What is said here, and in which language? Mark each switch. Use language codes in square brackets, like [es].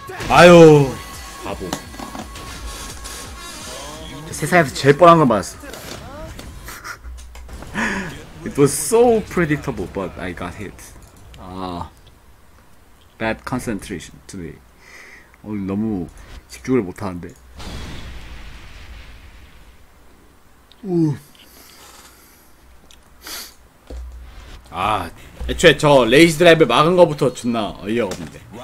[ko] 아유 바보. 세상에서 제일 뻔한 건 맞았어. [en] It was so predictable, but I got hit. Bad concentration today. [ko] 오늘 너무 집중을 못 하는데. 아, 애초에 저 레이지 드라이브 막은 거부터 존나 어이가 없는데.